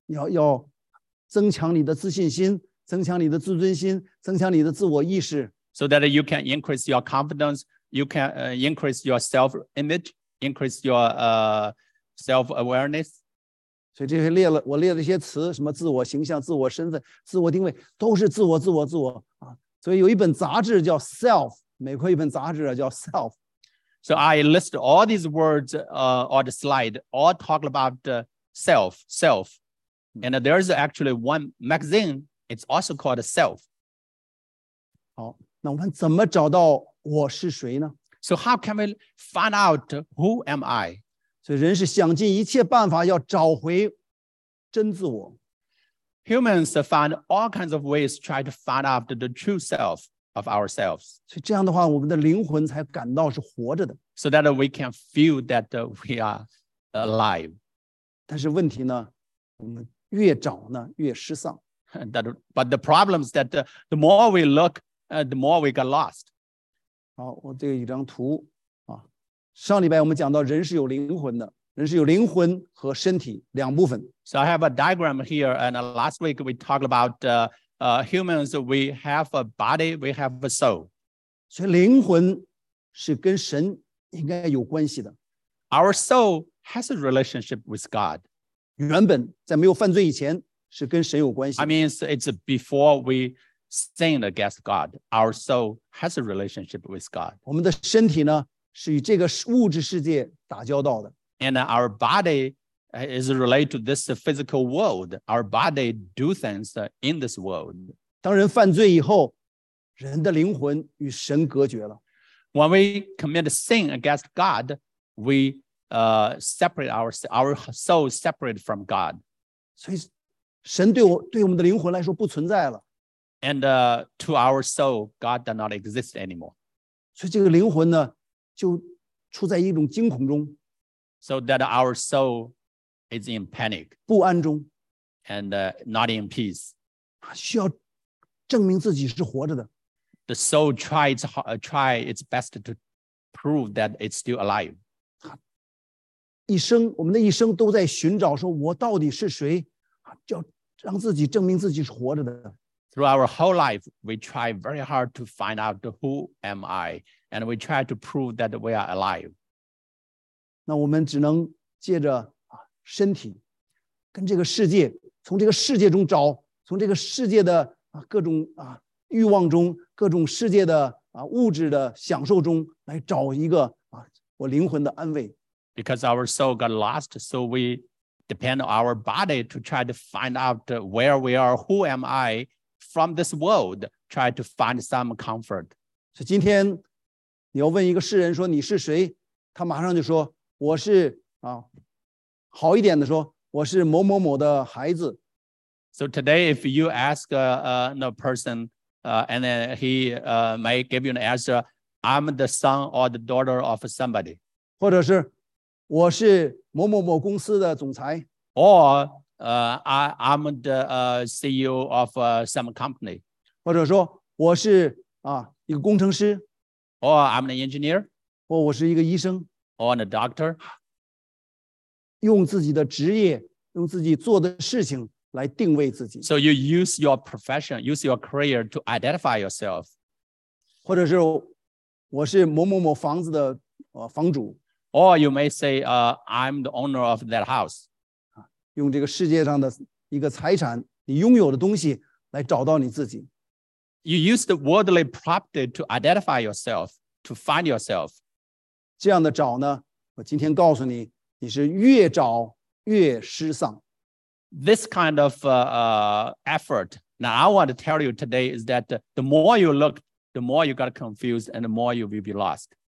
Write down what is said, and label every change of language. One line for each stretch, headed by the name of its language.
Chinese: 要增强你的自信心，增强你的自尊心，增强你的自我意识。
English: So that you can increase your confidence, you can increase your self-image, increase your self-awareness.
Chinese: 所以这些我列了一些词，什么自我形象、自我身份、自我定位，都是自我、自我、自我。所以有一本杂志叫 Self, 美国一本杂志叫 Self.
English: So I list all these words on the slide, all talk about self. And there's actually one magazine, it's also called Self.
Chinese: 好。那我们怎么找到我是谁呢？
English: So how can we find out who am I?
Chinese: 所以人是想尽一切办法要找回真自我。
English: Humans find all kinds of ways to try to find after the true self of ourselves.
Chinese: 所以这样的话，我们的灵魂才感到是活着的。
English: So that we can feel that we are alive.
Chinese: 但是问题呢，我们越找呢越失丧。
English: But the problem is that the more we look, the more we get lost.
Chinese: 好，我这个一张图啊，上礼拜我们讲到人是有灵魂的。人是有灵魂和身体两部分。
English: So I have a diagram here, and last week we talked about humans. We have a body, we have a soul.
Chinese: 所以灵魂是跟神应该有关系的。
English: Our soul has a relationship with God.
Chinese: 原本在没有犯罪以前是跟神有关系。
English: I mean, it's before we sinned against God. Our soul has a relationship with God.
Chinese: 我们的身体呢是与这个物质世界打交道的。
English: And our body is related to this physical world. Our body do things in this world.
Chinese: 当人犯罪以后，人的灵魂与神隔绝了。
English: When we commit sin against God, we separate our soul separate from God.
Chinese: 所以神对我们的灵魂来说不存在了。
English: And to our soul, God does not exist anymore.
Chinese: 所以这个灵魂呢，就处在一种惊恐中。
English: So that our soul is in panic.
Chinese: 不安中
English: And not in peace.
Chinese: 需要证明自己是活着的。
English: The soul tries its best to prove that it's still alive.
Chinese: 一生，我们的一生都在寻找说我到底是谁，要让自己证明自己是活着的。
English: Through our whole life, we try very hard to find out who am I, and we try to prove that we are alive.
Chinese: 那我们只能借着身体跟这个世界，从这个世界中找，从这个世界的各种欲望中，各种世界的物质的享受中来找一个我灵魂的安慰。
English: Because our soul got lost, so we depend on our body to try to find out where we are, who am I from this world, try to find some comfort.
Chinese: 所以今天你要问一个世人说你是谁，他马上就说我是好一点的说我是某某某的孩子。
English: So today if you ask a person and then he may give you an answer, I'm the son or the daughter of somebody.
Chinese: 或者是我是某某某公司的总裁。
English: Or I'm the CEO of some company.
Chinese: 或者说我是一个工程师。
English: Or I'm an engineer.
Chinese: 或我是一个医生。
English: On a doctor,
Chinese: 用自己的职业，用自己做的事情来定位自己。
English: So you use your profession, use your career to identify yourself.
Chinese: 或者是我是某某某房子的房主。
English: Or you may say, I'm the owner of that house.
Chinese: 用这个世界上的一个财产，你拥有的东西来找到你自己。
English: You use the worldly property to identify yourself, to find yourself.
Chinese: 这样的找呢，我今天告诉你，你是越找越失丧。
English: This kind of effort, now I want to tell you today is that the more you look, the more you got confused and the more you will be lost.